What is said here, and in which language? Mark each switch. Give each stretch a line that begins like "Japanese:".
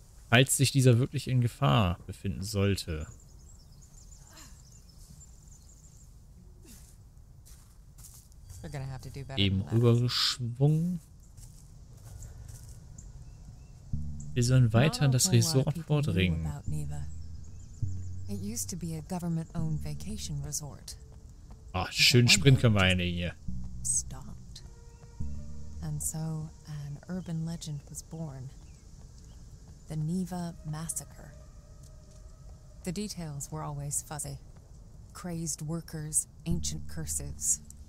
German: Falls sich dieser wirklich in Gefahr befinden sollte. Eben rübergeschwungen. Wir sollen weiter in das Resort vordringen.
English: It used to be a government-owned vacation resort.
German: Ach, schön Sprint können wir einigen hier.
English: Stopped. And so an urban legend was born. The Neva Massacre. The details were always fuzzy. Crazed workers, ancient curses.